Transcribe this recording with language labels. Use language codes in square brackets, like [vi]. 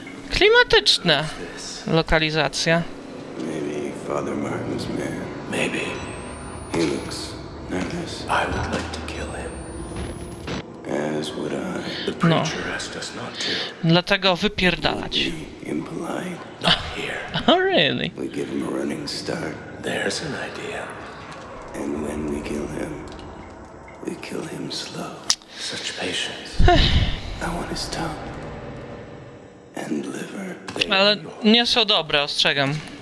[pl] Klimatyczna lokalizacja. [en] Maybe Father Martin's man. Maybe. He looks nervous. I would like to kill him. As would I. The preacher asked us not to. [pl] Dlatego wypierdalać. [en] Impolite. Not here. Oh, really? We give him a running start. There's an idea. And when we kill him, we kill him slow. Such patience. I want his tongue and liver. [pl] Ale nie są dobre, ostrzegam.